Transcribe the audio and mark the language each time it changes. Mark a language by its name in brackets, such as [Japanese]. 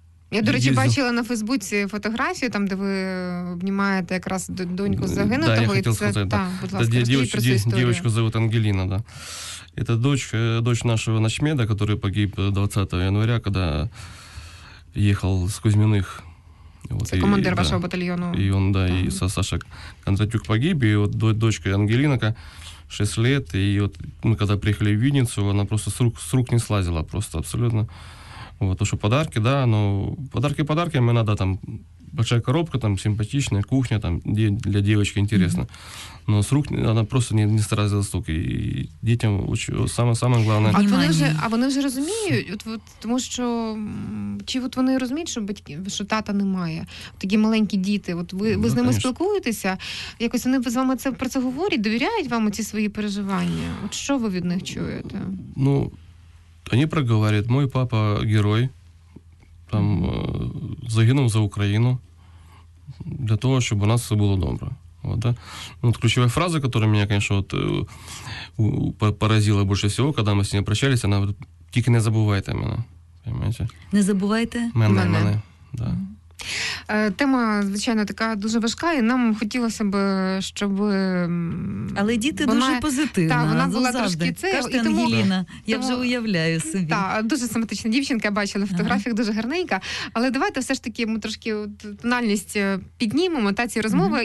[Ukrainian] я, до речі, бачила на Фейсбуці фотографію, там, де ви обнімаєте якраз доньку загинутого. Да, я хотів сказати, да. Будь ласка, розповідь про цю історію. Дівочку зовут Ангеліна, да. [Russian] Это дочь нашего начмеда, который погиб 20 января, когда ехал с Кузьминых. Вот, это командир вашего батальону. И он, да, и Саша Кондратюк погиб, и вот дочка Ангелинка, 6 лет, и вот мы когда приехали в Винницу, она просто с рук не слазила, просто абсолютно. Вот, то, что подарки, да, но подарки, мне надо там большая коробка, там симпатичная, кухня, там для девочки интересно. Mm-hmm. Но с рук она просто не старается столько. И детям самое главное. [Ukrainian] А вони вже розуміють, тому що, чи от вони розуміють, що батьки, що тата немає? Такі маленькі діти, от ви з ними спілкуєтеся? Якось вони з вами про це говорять, довіряють вам ці свої переживання? От що ви від них чуєте? [Russian] Ну, они проговаривают, мой папа герой, там, загинул за Украину для того, чтобы у нас все было добро. Вот, да? Вот ключевая фраза, которая меня, конечно, вот, поразила больше всего, когда мы с ним прощались, она вот, [Ukrainian] тільки не забувайте мене, [Russian] понимаете? [Ukrainian] Не забувайте? Мене, да. Тема, звичайно, така дуже важка, і нам хотілося б, щоб... Але діти дуже позитивна. Так, вона була трошки це. Кажете, Ангеліна, я вже уявляю собі. Так, дуже симпатична дівчинка, я бачила в фотографіях, дуже гарненька. Але давайте все ж таки ми трошки тональність піднімемо та ці розмови.